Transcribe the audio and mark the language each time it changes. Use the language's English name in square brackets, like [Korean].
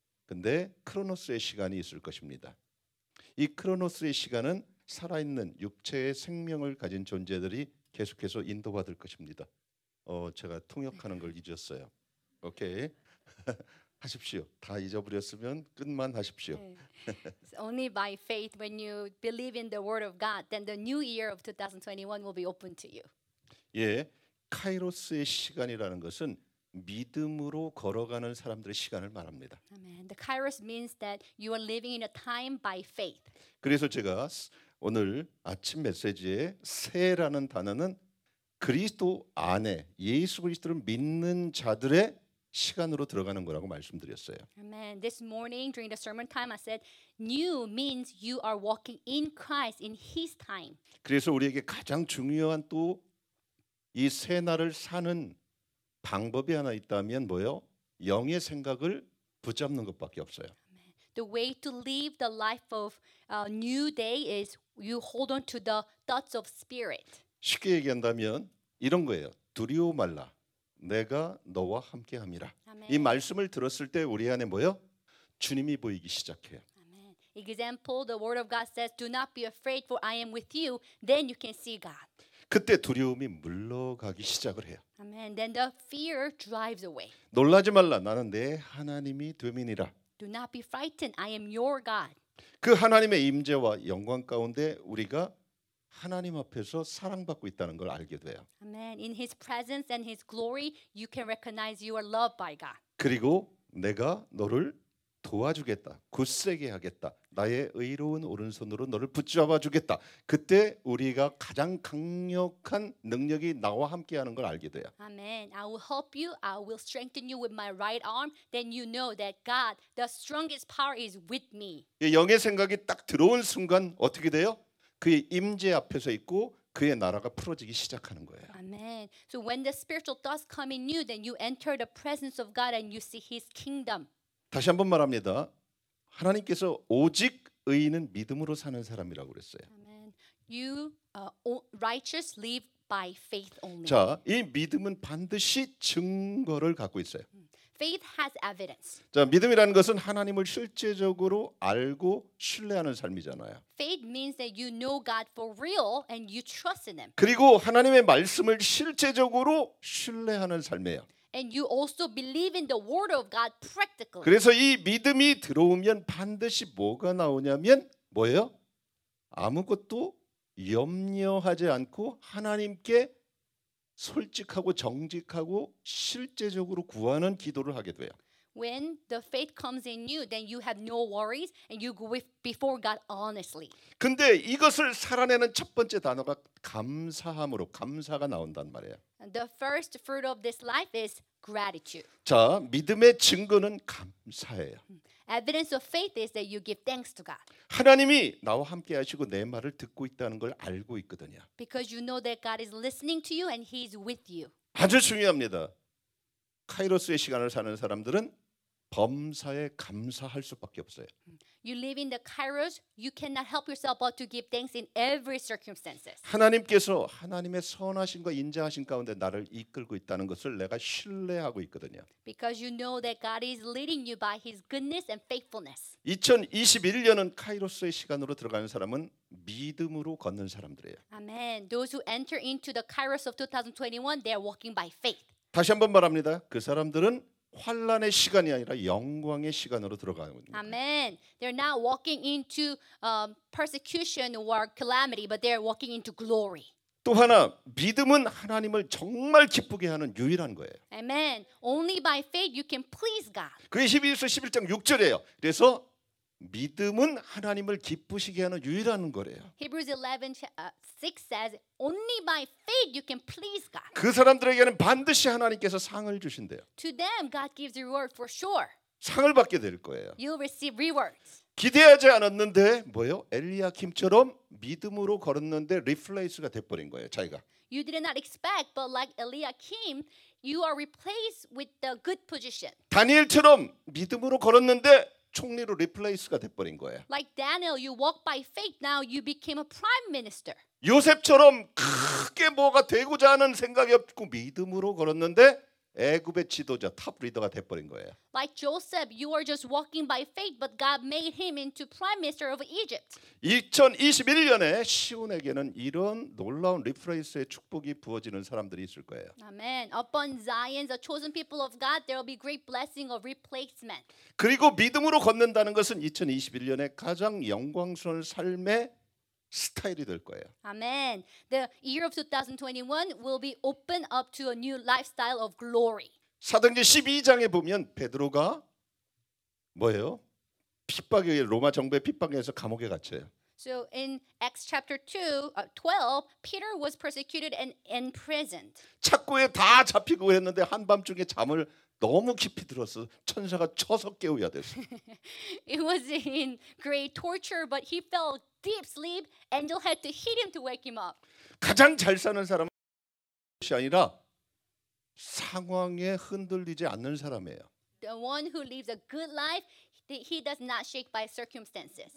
[Korean] 근데 크로노스의 시간이 있을 것입니다. 이 크로노스의 시간은 살아있는 육체의 생명을 가진 존재들이 계속해서 인도받을 것입니다. 제가 통역하는 걸 잊었어요. 오케이. 하십시오. 다 잊어버렸으면 끝만 하십시오. [English] Only by faith when you believe in the word of God then the new year of 2021 will be open to you. [Korean] 예. 카이로스의 시간이라는 것은 믿음으로 걸어가는 사람들의 시간을 말합니다. [English] Amen. The Kairos means that you are living in a time by faith. [Korean] 그래서 제가 오늘 아침 메시지에 새라는 단어는 그리스도 안에 예수 그리스도를 믿는 자들의 시간으로 들어가는 거라고 말씀드렸어요. [English] Amen. This morning during the sermon time I said new means you are walking in Christ in his time. [Korean] 그래서 우리에게 가장 중요한 또 이 새 날을 사는 방법이 하나 있다면 뭐요? 영의 생각을 붙잡는 것밖에 없어요. [English] The way to live the life of a new day is you hold on to the thoughts of spirit. [Korean] 쉽게 얘기한다면 이런 거예요. 두려워 말라. 내가 너와 함께 함이라. 이 말씀을 들었을 때 우리 안에 뭐요? 주님이 보이기 시작해요. [English] Amen. Example, the word of God says, "Do not be afraid, for I am with you." Then you can see God. [Korean] 그때 두려움이 물러가기 시작을 해요. [English] Amen. Then the fear drives away. [Korean] 놀라지 말라. 나는 내 하나님이 되민이라. [English] Do not be frightened. I am your God. [Korean] 그 하나님의 임재와 영광 가운데 우리가 하나님 앞에서 사랑받고 있다는 걸 알게 돼요. [English] Amen. In his presence and his glory, you can recognize you are loved by God. [Korean] 그리고 내가 너를 도와주겠다. 굳세게 하겠다. 나의 의로운 오른손으로 너를 붙잡아 주겠다. 그때 우리가 가장 강력한 능력이 나와 함께하는 걸 알게 돼요. [English] Amen. I will help you. I will strengthen you with my right arm. Then you know that God, the strongest power, is with me. [Korean] 영의 생각이 딱 들어온 순간 어떻게 돼요? 그의 임재 앞에서 있고 그의 나라가 풀어지기 시작하는 거예요. [English] Amen. So when the spiritual thoughts come in you, then you enter the presence of God and you see His kingdom. [Korean] 다시 한번 말합니다. 하나님께서 오직 의인은 믿음으로 사는 사람이라고 그랬어요. [English] Amen. You righteous live by faith only. [Korean] 자, 이 믿음은 반드시 증거를 갖고 있어요. [English] Faith has evidence. [Korean] 자, 믿음이라는 것은 하나님을 실제적으로 알고 신뢰하는 삶이잖아요. [English] Faith means that you know God for real and you trust in Him. [Korean] 그리고 하나님의 말씀을 실제적으로 신뢰하는 삶이에요. [English] And you also believe in the word of God practically. [Korean] 그래서 이 믿음이 들어오면 반드시 뭐가 나오냐면 뭐예요? 아무것도 염려하지 않고 하나님께 솔직하고 정직하고 실제적으로 구하는 기도를 하게 돼요. [English] When the faith comes in you, then you have no worries and you go before God honestly. [Korean] 근데 이것을 살아내는 첫 번째 단어가 감사함으로 감사가 나온단 말이에요. [English] The first fruit of this life is gratitude. [Korean] 자, 믿음의 증거는 감사예요. [English] Evidence of faith is that you give thanks to God. [Korean] 하나님이 나와 함께 하시고 내 말을 듣고 있다는 걸 알고 있거든요. [English] Because you know that God is listening to you and He is with you. [Korean] 아주 중요합니다. 카이로스의 시간을 사는 사람들은 범사에 감사할 수밖에 없어요. [English] You live in the Kairos, you cannot help yourself but to give thanks in every circumstances. [Korean] 하나님께서 하나님의 선하심과 인자하심 가운데 나를 이끌고 있다는 것을 내가 신뢰하고 있거든요. [English] Because you know that God is leading you by His goodness and faithfulness. [Korean] 2021년은 카이로스의 시간으로 들어가는 사람은 믿음으로 걷는 사람들이에요. [English] Amen. Those who enter into the Kairos of 2021, they are walking by faith. [Korean] 다시 한번 말합니다. 그 사람들은 환난의 시간이 아니라 영광의 시간으로 들어가는 겁니다. [English] Amen. They're not walking into persecution or calamity, but they're walking into glory. [Korean] 또 하나, 믿음은 하나님을 정말 기쁘게 하는 유일한 거예요. [English] Amen. Only by faith you can please God. [Korean] 그게 12절 11장 6절이에요. 그래서 믿음은 하나님을 기쁘시게 하는 유일한 거래요. [English] Hebrews 11:6 says, "Only by faith you can please God." [Korean] 그 사람들에게는 반드시 하나님께서 상을 주신대요. [English] To them, God gives reward for sure. [Korean] 상을 받게 될 거예요. [English] You'll receive rewards. [Korean] 기대하지 않았는데 뭐요? 엘리야김처럼 믿음으로 걸었는데 리플레이스가 돼버린 거예요, 자기가. [English] You did not expect, but like Eliakim, you are replaced with the good position. [Korean] 다니엘처럼 믿음으로 걸었는데 총리로 리플레이스가 돼버린 거예요. [English] Like Daniel, you walk by faith. Now you became a prime minister. [Korean] 요셉처럼 크게 뭐가 되고자 하는 생각이 없고 믿음으로 걸었는데 애굽의 지도자, 탑 리더가 돼버린 거예요. [English] Like Joseph, you are just walking by faith, but God made him into prime minister of Egypt. [Korean] 2021년에 시온에게는 이런 놀라운 리플레이스의 축복이 부어지는 사람들이 있을 거예요. [English] Amen. Upon Zion, the chosen people of God, there will be great blessing of replacement. [Korean] 그리고 믿음으로 걷는다는 것은 2021년에 가장 영광스러운 삶의 스타일이 될 거예요. [English] Amen. The year of 2021 will be open up to a new lifestyle of glory. [Korean] 사도행전 12장에 보면 베드로가 뭐예요? 핍박에 의해 로마 정부의 핍박에서 감옥에 갇혀요. [English] So in Acts chapter 12, Peter was persecuted and imprisoned. [Korean] 착고에 다 잡히고 했는데 한밤중에 잠을 너무 깊이 들어서 천사가 쳐서 깨워야 됐어요. [English] It was in great torture, but he fell deep sleep. Angel had to hit him to wake him up. [Korean] 가장 잘 사는 사람은 것이 아니라 상황에 흔들리지 않는 사람이에요. [English] The one who lives a good life, he does not shake by circumstances.